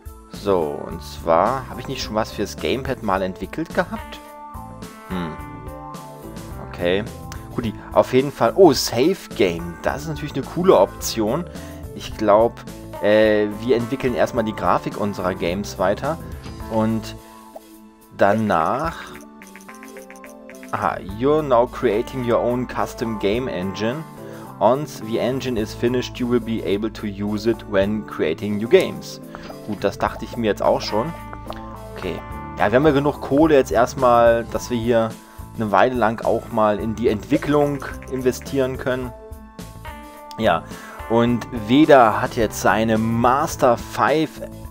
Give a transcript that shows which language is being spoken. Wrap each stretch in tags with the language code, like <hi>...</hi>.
<de>So, und zwar, habe ich nicht schon was fürs Gamepad mal entwickelt gehabt? Okay. Guti, auf jeden Fall. Oh, Save Game. Das ist natürlich eine coole Option. Ich glaube, wir entwickeln erstmal die Grafik unserer Games weiter. Und danach...</de> <en>Aha, you're now creating your own custom game engine. Once the engine is finished, you will be able to use it when creating new games.</en> <de>Gut, das dachte ich mir jetzt auch schon. Okay. Ja, wir haben ja genug Kohle jetzt erstmal, dass wir hier eine Weile lang auch mal in die Entwicklung investieren können. Ja. Und Vena hat jetzt seine Master 5...</de>